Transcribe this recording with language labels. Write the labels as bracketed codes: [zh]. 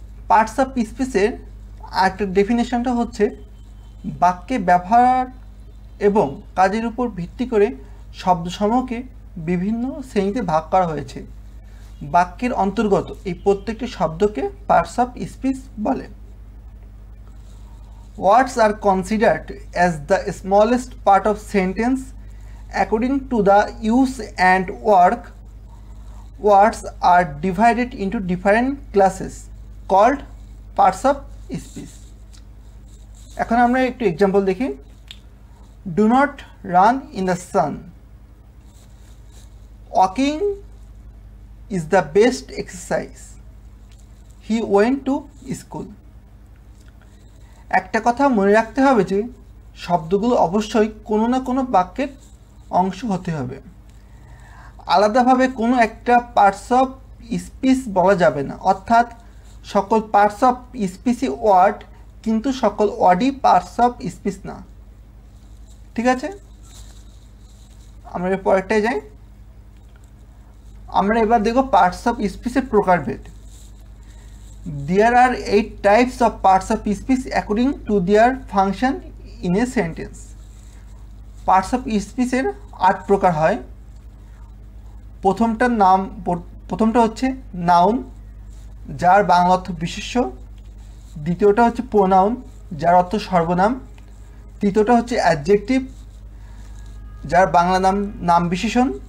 [bn] Parts of স্পিচের আরেকটা ডেফিনেশনটা হচ্ছে বাক্যে ব্যবহার এবং কাজের উপর ভিত্তি করে শব্দসমূহকে বিভিন্ন শ্রেণীতে ভাগ করা হয়েছে। বাক্যের অন্তর্গত এই প্রত্যেকটি শব্দকে পার্টস অফ স্পিচ বলে। [en] Words are considered as the smallest part of sentence according to the use and work. Words are divided into different classes called parts of speech. [bn] এখন আমরা একটু এক্সাম্পল দেখি। [en] Do not run in the sun. Walking is the best exercise. He went to school. [bn] একটা কথা মনে রাখতে হবে যে শব্দগুলো অবশ্যই কোনো না কোনো বাক্যের অংশ হতে হবে। আলাদাভাবে কোনো একটা পার্টস অফ স্পিচ বলা যাবে না। অর্থাৎ সকল পার্টস অফ স্পিচই ওয়ার্ড, কিন্তু সকল ওয়ার্ডই পার্টস অফ স্পিচ না। ঠিক আছে, আমরা এর পরেরটায় যাই। আমরা এবার দেখব পার্টস অফ স্পিচের প্রকারভেদ। [en] There are eight types of parts of speech according to their function in a sentence. [bn] Parts of speech এর আট প্রকার হয়। প্রথমটার নাম, প্রথমটা হচ্ছে নাউন, যার বাংলা অর্থ বিশেষ্য। দ্বিতীয়টা হচ্ছে প্রোনাউন, যার অর্থ সর্বনাম। তৃতীয়টা হচ্ছে অ্যাডজেক্টিভ, যার বাংলা নাম নাম বিশেষণ।